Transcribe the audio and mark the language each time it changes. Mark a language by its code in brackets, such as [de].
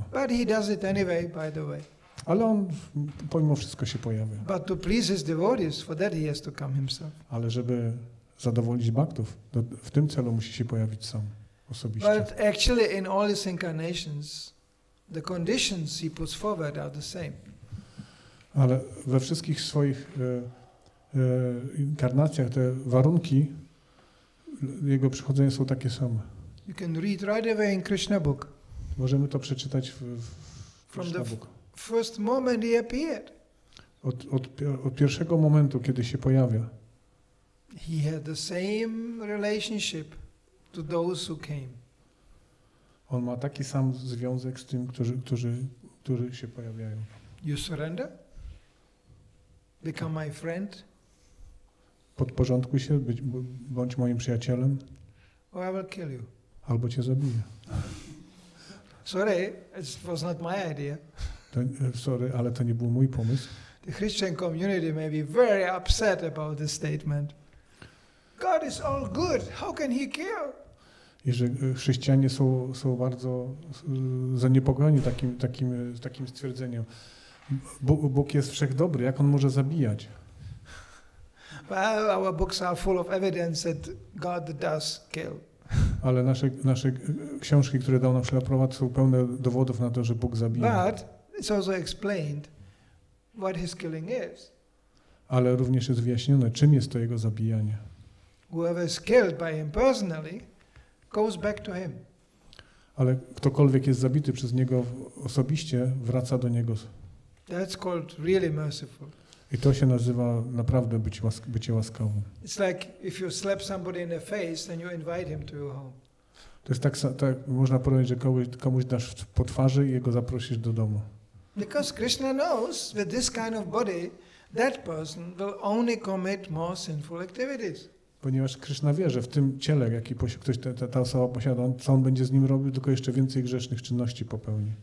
[en] But he does it anyway, by the way. [pl] Ale on pomimo wszystko się pojawia. [en] But to please his devotees, for that he has to come himself. [pl] Ale żeby zadowolić bhaktów, w tym celu musi się pojawić sam. Osobiście. [en] But actually in all his incarnations the conditions he puts forward are the same. [pl] Ale we wszystkich swoich inkarnacjach te warunki jego przychodzenia są takie same. [en] You can read right away in Krishna book. [pl] Możemy to przeczytać w Krishna book. [en] First moment he appeared. [pl] Od pierwszego momentu, kiedy się pojawia. [en] He had the same relationship to those who came. [pl] On ma taki sam związek z tym, którzy się pojawiają. [en] You surrender? Become my friend? [pl] Podporządkuj się, bądź moim przyjacielem. [en] Or I will kill you. [pl] Albo cię zabiję. [en] Sorry, it was not my idea. [pl] Ale to nie był mój pomysł. [en] The Christian community may be very upset about this statement. God is all good. How can he kill? [pl] I że chrześcijanie są bardzo zaniepokojeni takim stwierdzeniem. Bóg jest wszechdobry, jak on może zabijać? [en] Well, our books are full of evidence that God does kill. [pl] Ale nasze książki, które dał nam Śrila Prabhupada, są pełne dowodów na to, że Bóg zabija. [en] But it's also explained what his killing is. [pl] Ale również jest wyjaśnione, czym jest to jego zabijanie. [en] Whoever is killed by him personally goes back to him. [pl] Ale ktokolwiek jest zabity przez niego osobiście, wraca do niego. [en] That's called really merciful. [pl] I to się nazywa naprawdę bycie łaskawym. [en] It's like if you slap somebody in the face and you invite him to your home. [pl] To jest tak można powiedzieć, że komuś dasz po twarzy i jego zaprosisz do domu. [en] Because Krishna knows with this kind of body that person will only commit more sinful activities. [pl] Ponieważ Krishna wie, że w tym ciele, jaki ktoś ta osoba posiada, co on będzie z nim robił, tylko jeszcze więcej grzesznych czynności popełni.